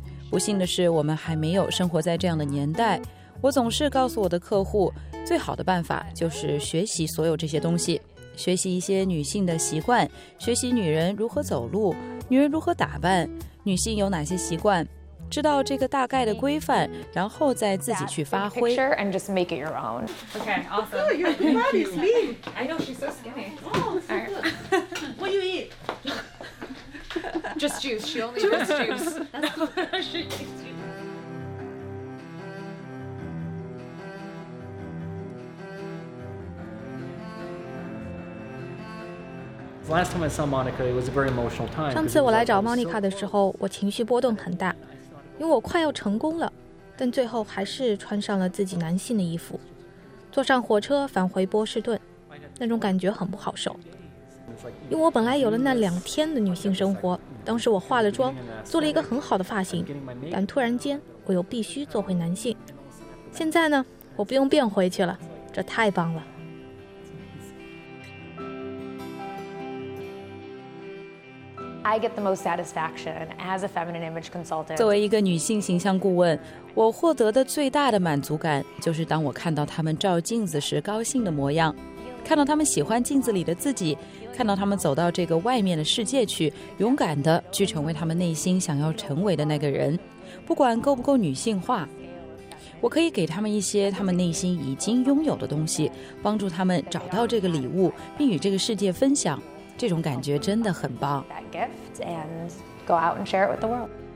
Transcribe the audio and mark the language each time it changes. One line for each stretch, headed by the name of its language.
Chinese: 不幸的是，我们还没有生活在这样的年代。我总是告诉我的客户，最好的办法就是学习所有这些东西，学习一些女性的习惯，学习女人如何走路，女人如何打扮，女性有哪些习惯，知道这个大概的规范，然后再自己去发挥。
English: Picture and just make it your own. Okay, awesome. Oh, your body's lean. I know, she's so skinny. Oh, it's so good. What do you eat? Just juice. She only drinks juice. That's cool. She eats juice.
Chinese: 上次我来找莫妮卡的时候，我情绪波动很大，因为我快要成功了，但最后还是穿上了自己男性的衣服，坐上火车返回波士顿，那种感觉很不好受。因为我本来有了那两天的女性生活，当时我化了妆，做了一个很好的发型，但突然间我又必须做回男性。现在呢，我不用变回去了，这太棒了。
English: I get the most satisfaction as a feminine image consultant.
Chinese: 作为一个女性形象顾问，我获得的最大的满足感就是当我看到她们照镜子时高兴的模样，看到她们喜欢镜子里的自己，看到她们走到这个外面的世界去，勇敢地去成为她们内心想要成为的那个人，不管够不够女性化。我可以给他们一些他们内心已经拥有的东西，帮助他们找到这个礼物，并与这个世界分享。这种感觉真的很棒。
English: That gift and go out and share it with the world.